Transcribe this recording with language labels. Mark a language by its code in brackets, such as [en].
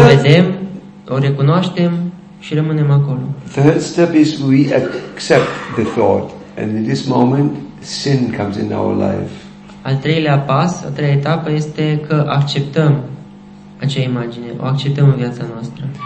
[ro] o vedem, o recunoaștem și rămânem acolo. [en] The third step is we accept the thought. And in this moment, sin comes in our life. [ro] Al treilea pas, a treia etapă este că acceptăm acea imagine, o acceptăm în viața noastră.